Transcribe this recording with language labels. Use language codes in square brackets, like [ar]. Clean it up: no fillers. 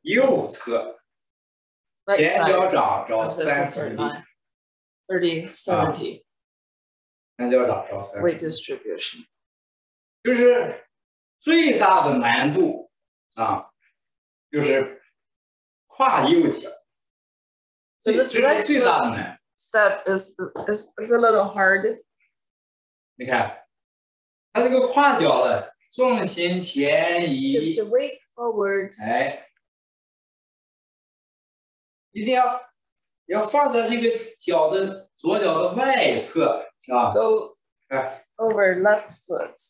[zh] 右侧。前脚掌着三分力，30 70。前脚掌着三。 [en] Weight distribution， [zh] 就是。最大的难度啊，就是跨右脚， [en] So this right step is a little hard. [zh] 你看，它这个跨脚的重心前移。 [en] Shift the weight forward. [zh] 哎，一定要放在这个脚的左脚的外侧，啊。 [en] Go over left foot.